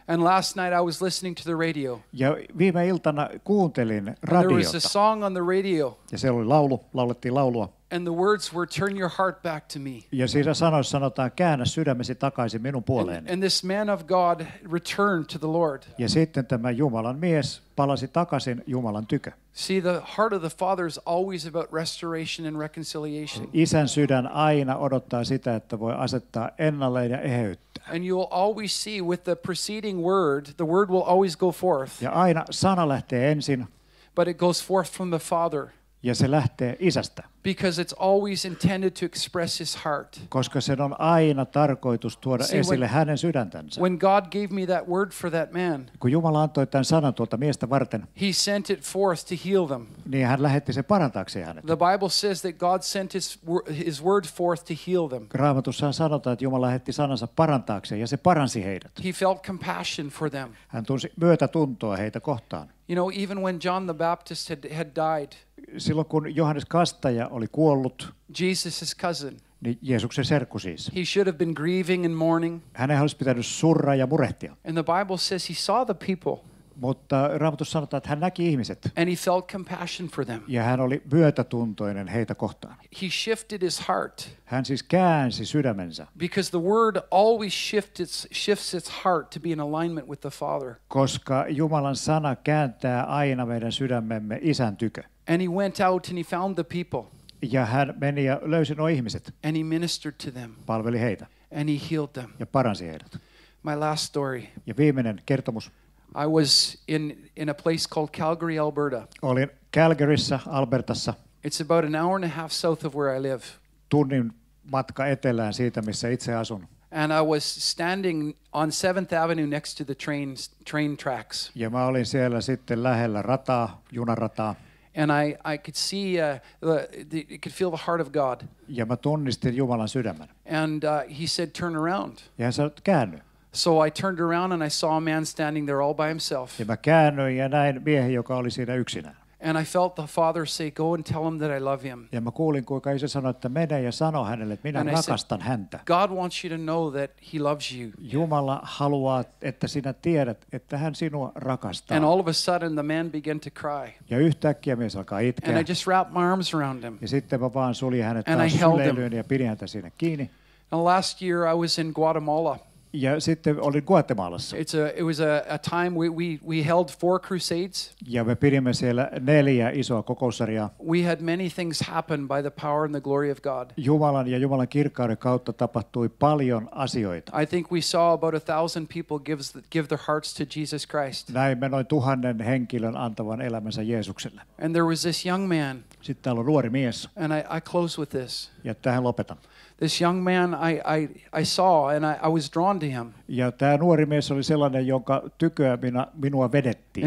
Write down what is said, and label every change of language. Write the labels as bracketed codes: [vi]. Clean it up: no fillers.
[en] And last night I was listening to the radio. [fi] Ja viime iltana kuuntelin radiota. [en] And there was a song on the radio. [fi] Ja siellä oli laulu, laulettiin laulua. [en] And the words were, turn your heart back to me. [fi] Ja siinä sanoissa sanotaan, käännä sydämesi takaisin minun puoleeni. [en] And this man of God returned to the Lord. [fi] Ja sitten tämä Jumalan mies palasi takaisin Jumalan tykö. [en] See, the heart of the Father is always about restoration and reconciliation. [fi] Isän sydän aina odottaa sitä, että voi asettaa ennalleen ja eheyttää. [en] And you will always see with the preceding word, the word will always go forth. [fi] Ja aina sana lähtee ensin. [en] But it goes forth from the Father. [fi] Ja se lähtee isästä. [en] Because it's always intended to express his heart. [fi] Koska sen on aina tarkoitus tuoda esille hänen sydäntänsä. [en] When God gave me that word for that man. [fi] Kun Jumala antoi tämän sanan tuolta miestä varten. [en] He sent it forth to heal them. [fi] Niin hän lähetti sen parantaakseen hänet. [en] The Bible says that God sent his word forth to heal them. [fi] Raamatussa sanotaan, että Jumala lähetti sanansa parantaakseen ja se paransi heidät. [en] He felt compassion for them. [fi] Hän tunsi myötätuntoa heitä kohtaan. [en] You know, even when John the Baptist had died. [fi] Silloin kun Johannes Kastaja oli kuollut, [en] Jesus's cousin, [fi] niin Jeesuksen serkku siis, [en] he should have been grieving and mourning. [fi] Hänen olisi pitänyt surra ja murehtia. [en] And the Bible says he saw the people. [fi] Mutta Raamatussa sanotaan, että hän näki ihmiset. [en] And he felt compassion for them. [fi] Ja hän oli myötätuntoinen heitä kohtaan. [en] He shifted his heart. [fi] Hän siis käänsi sydämensä. [en] Because the word always shifts its heart to be in alignment with the Father. [fi] Koska Jumalan sana kääntää aina meidän sydämemme isän tykö. [en] And he went out and he found the people. [fi] Ja hän meni ja löysi nuo ihmiset. [en] And he ministered to them. [fi] Palveli heitä. [en] And he healed them. [fi] Ja paransi heidät. [en] My last story. [fi] Ja viimeinen kertomus. [en] I was in a place called Calgary, Alberta. [fi] Olin Calgaryssa, Albertassa. [en] It's about an hour and a half south of where I live. [fi] Tunnin matka etelään siitä, missä itse asun. [en] And I was standing on 7th Avenue next to the train tracks. [fi] Ja mä olin siellä sitten lähellä rataa, junarataa. [en] And I could see the could feel the heart of God. [fi] Ja mä tunnistin Jumalan sydämen. [en] And he said, turn around. [fi] Ja hän sanoi, käänny. [en] So I turned around and I saw a man standing there all by himself. [fi] Ja mä käännyin ja näin miehen, joka oli siinä yksinään. [en] And I felt the Father say, go and tell him that I love him. [fi] Ja mä kuulin, kuinka isä sanoi, että mene ja sano hänelle, että minä [en] and [fi] rakastan [en] said, [fi] häntä. [en] God wants you to know that he loves you. [fi] Jumala haluaa, että sinä tiedät, että hän sinua rakastaa. [en] And all of a sudden the man began to cry. [fi] Ja yhtäkkiä mies alkaa itkeä. [en] And I just wrapped my arms around him. [fi] Ja sitten mä vaan suljin hänet taas syleilyyn ja pidin häntä siinä kiinni. [en] And last year I was in Guatemala. [fi] Ja sitten olin Guatemalassa. [en] It was a time we held four crusades. [fi] Ja me pidimme siellä neljä isoa kokoussarjaa. [en] We had many things happen by the power and the glory of God. [fi] Jumalan ja Jumalan kirkkauden kautta tapahtui paljon asioita. [en] I think we saw about 1,000 people give their hearts to Jesus Christ. [fi] Näimme noin 1,000 henkilön antavan elämänsä Jeesukselle. [en] And there was this young man. [fi] Sitten täällä on nuori mies. [en] And I close with this. [fi] Ja tähän lopetan. [en] This young man I saw and I was drawn to him. [fi] Ja tämä nuori mies oli sellainen, jonka tyköä minua vedettiin.